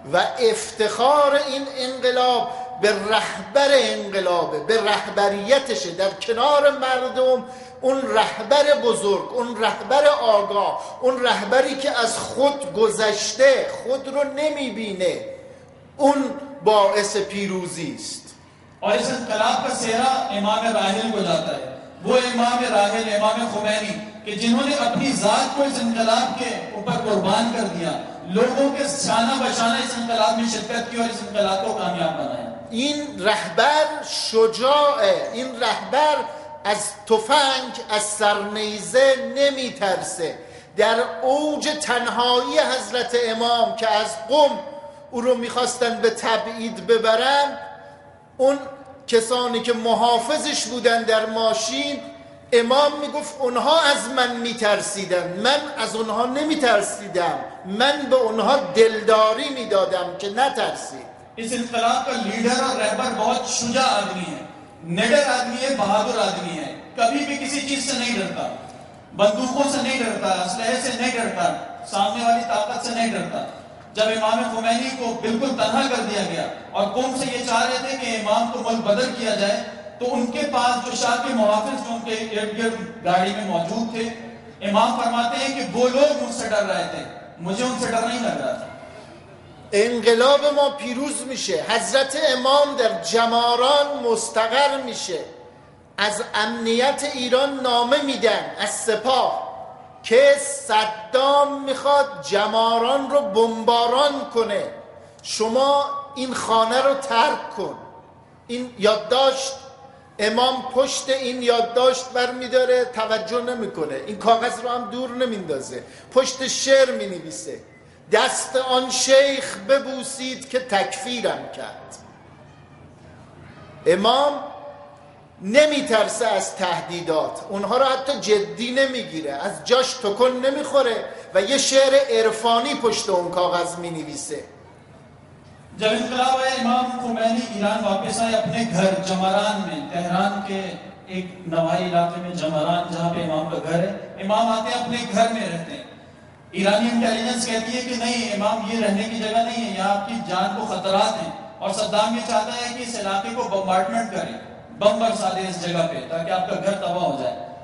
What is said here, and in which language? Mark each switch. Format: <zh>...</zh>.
<fa>و افتخار این انقلاب به رهبر انقلابه، به رهبریتش، در کنار مردم، اون رهبر بزرگ، اون رهبر آگاه، اون رهبری که از خود گذشته، خود رو نمیبینه، اون باعث پیروزی است.</fa> <ur>اور اس انقلاب کا سہرا امام راحل کو جاتا ہے، وہ امام راحل، امام خمینی، کہ جنہوں نے اپنی ذات کو اس انقلاب کے اوپر قربان کر دیا، لوگوں کے شانہ بشانہ اس انقلاب میں شرکت کی اور اس انقلاب کو کامیاب بنایا.</ur> <fa>این رهبر شجاعه، این رهبر از تفنگ، از سرنیزه نمی ترسه. در اوج تنهایی حضرت امام که از قم او رو می خواستن به تبعید ببرن، اون کسانی که محافظش بودن در ماشین، امام می گفت اونها از من می ترسیدن، من از اونها نمی ترسیدم، من به اونها دلداری می دادم که نترسید.</fa> <ur>اس انقلاب کا لیڈر اور رہبر بہت شجاع آدمی ہے، نڈر آدمی ہے، بہادر آدمی ہے، کبھی بھی کسی چیز سے نہیں ڈرتا، بندوقوں سے نہیں ڈرتا، اسلحے سے نہیں ڈرتا، سامنے والی طاقت سے نہیں ڈرتا. جب امام خمینی کو بالکل تنہا کر دیا گیا اور قوم سے یہ چاہ رہے تھے کہ امام کو ملک بدل کیا جائے، تو ان کے پاس جو شاہ کے محافظ جو ان کے ارد گرد گاڑی میں موجود تھے، امام فرماتے ہیں کہ وہ لوگ مجھ سے ڈر رہے تھے، مجھے ان سے ڈر نہیں لگ رہا تھا.</ur> <fa>انقلاب ما پیروز میشه، حضرت امام در جماران مستقر میشه، از امنیت ایران نامه میدن، از سپاه، که صدام میخواد جماران رو بمباران کنه، شما این خانه رو ترک کن. این یادداشت، امام پشت این یادداشت برمیداره، توجه نمیکنه، این کاغذ رو هم دور نمیندازه، پشت شعر مینویسه: دست آن شیخ ببوسید که تکفیرم کرد. امام نمی ترسه از تهدیدات، اونها رو حتی جدی نمیگیره، از جاش تکون نمیخوره و یه شعر عرفانی پشت اون کاغذ می نویسه.</fa> <ur>جب انقلاب آیا، امام خمینی ایران واپس آئے اپنے گھر جمران میں، تهران کے ایک نواحی علاقے میں جمران، جہاں پہ امام کا گھر ہے. امام آتے ہیں اپنے گھر میں رہتے ہیں، ایرانی انٹیلیجنس کہتی ہے کہ نہیں، امام یہ رہنے کی جگہ نہیں ہے، یہاں آپ کی جان کو خطرات ہیں، اور صدام یہ چاہتا ہے کہ اس علاقے کو بمبارٹمنٹ کریں، بم برسا دے اس جگہ پہ تاکہ آپ کا گھر تباہ ہو جائے.</ur>